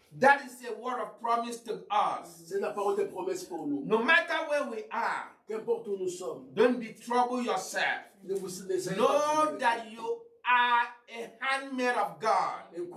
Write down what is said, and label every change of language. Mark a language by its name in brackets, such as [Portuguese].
[English] That is a word of promise to us. [French] C'est la parole de promesse pour nous. [English] No matter where we are, [French] qu'importe où nous sommes, [English] don't be troubled yourself. Know that you are a handmaid of God.